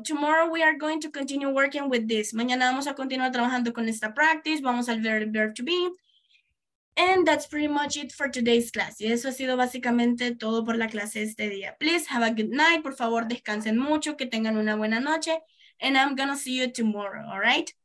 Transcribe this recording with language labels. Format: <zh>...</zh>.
<en>Tomorrow we are going to continue working with this.</en> <es>Mañana vamos a continuar trabajando con esta practice. Vamos al verb to be.</es> <en>And that's pretty much it for today's class.</en> <es>Y eso ha sido básicamente todo por la clase de este día.</es> <en>Please have a good night.</en> <es>Por favor, descansen mucho. Que tengan una buena noche.</es> <en>And I'm gonna see you tomorrow, all right?</en>